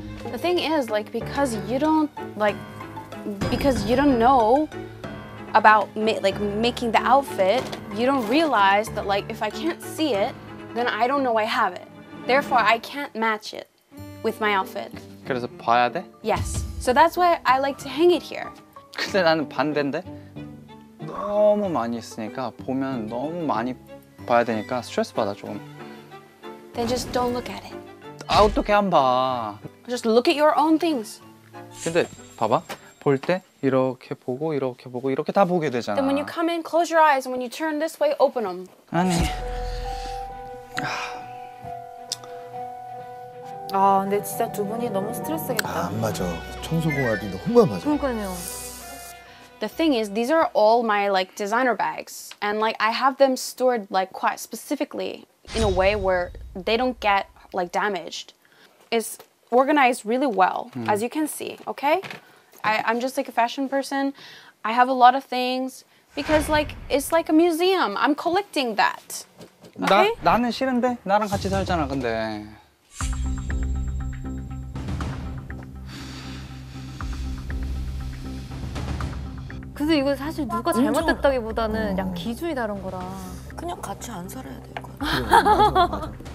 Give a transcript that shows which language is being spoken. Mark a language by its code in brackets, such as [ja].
[en] The thing is, like, because you don't like, because you don't know. About like making the outfit, you don't realize that like if I can't see it, then I don't know I have it. Therefore, I can't match it with my outfit. [ko] 그래서 봐야 돼? [en] Yes. So that's why I like to hang it here. [ko] 근데 나는 반대인데 너무 많이 있으니까 보면 너무 많이 봐야 되니까 스트레스 받아 조금. [en] Then just don't look at it. [ko] 어떻게 안 봐? [en] Just look at your own things. [ko] 근데 봐봐. 볼 때 이렇게 보고 이렇게 보고 이렇게 다 보게 되잖아. [en] Then when you come in, close your eyes. And when you turn this way, open them. [ko] 아니. 아, 근데 진짜 두 분이 너무 스트레스겠다. 아, 안 맞아. 청소 공학인데 혼만 맞아. 그러니까요. [en] The thing is, these are all my like designer bags, and like I have them stored like quite specifically in a way where they don't get like damaged. It's organized really well, as you can see. Okay? I'm just like a fashion person. I have a lot of things because like it's like a museum. I'm collecting that. Okay? [ko] 나는 싫은데 나랑 같이 살잖아. 근데 근데 이거 사실 누가 잘못됐다기보다는 그냥 기준이 다른 거라. 그냥 같이 안 살아야 될 거야.